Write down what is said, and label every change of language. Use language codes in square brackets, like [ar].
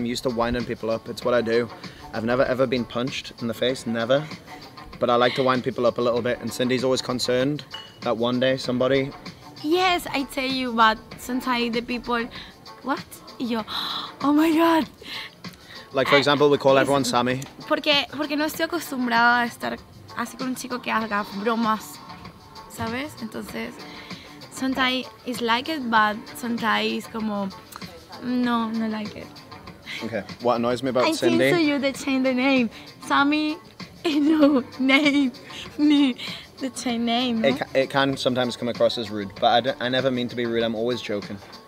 [en] I'm used to winding people up, it's what I do. I've never ever been punched in the face, never. But I like to wind people up a little bit, and Cindy's always concerned that one day somebody... Yes, I tell you, but sometimes the people... What? Yo, oh my God. Like, for example, we call everyone Sammy. [es] Porque no estoy acostumbrada a estar así con un chico que haga bromas, ¿sabes? [en] Entonces, sometimes it's like it, but sometimes como, no, no like it. Okay, what annoys me about Cindy? I think so you they change the name. Sammy, no, name, me. The change name. No? It can sometimes come across as rude, but I never mean to be rude, I'm always joking.